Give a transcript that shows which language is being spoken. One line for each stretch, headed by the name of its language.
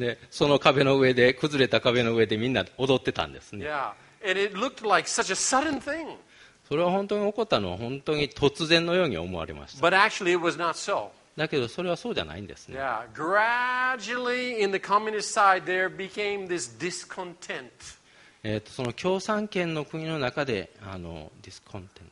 Japanese: その壁の上で、崩れた壁の上でみんな踊ってたんですね。
English: Yeah. And it looked like such a sudden thing.
Japanese: それは本当に起こったのは本当に突然のように思われました。
English: But actually it was not so.
Japanese: だけどそれはそうじゃないんですね。
English: Yeah. Gradually in the communist side there became this discontent.
Japanese: その共産圏の国の中で、discontent。